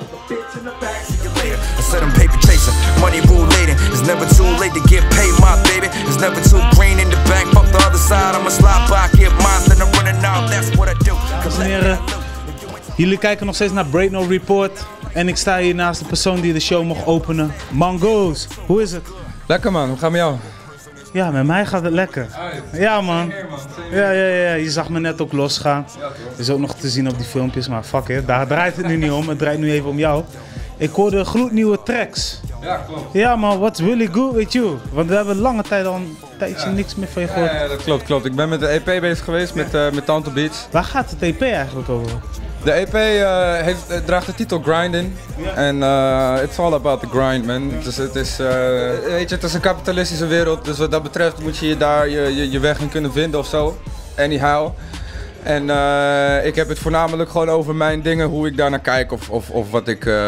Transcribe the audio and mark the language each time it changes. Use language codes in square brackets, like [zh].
[en] I said I'm paper chasing, money rule laden. It's never too late to get paid, my baby. It's never too green in the bank. Fuck the other side, I'm a slot back. Get mine, then I'm running out. That's what I do. [nl] Jullie kijken nog steeds naar Breaknote Report. En ik sta hier naast de persoon die de show mocht openen. Mongoose, hoe is het? Lekker man, hoe gaat het met jou? Ja, met mij gaat het lekker. Ja man. Ja. Je zag me net ook losgaan. Is ook nog te zien op die filmpjes, maar fuck it. Daar draait het nu niet om, het draait nu even om jou. Ik hoorde gloednieuwe tracks. Ja, klopt. Ja man, [en] what's really good with you? [nl] Want we hebben lange tijd al een tijdje niks meer van je gehoord. Ja, dat klopt. Ik ben met de EP bezig geweest, met Tanto Beats. Waar gaat het EP eigenlijk over? De EP draagt de titel Grinding. [en] En it's all about the grind, man. Yeah. [nl] Dus het is, weet je, het is een kapitalistische wereld. Dus wat dat betreft moet je daar je weg in kunnen vinden of zo. Anyhow. En ik heb het voornamelijk gewoon over mijn dingen, hoe ik daar naar kijk. Of wat ik.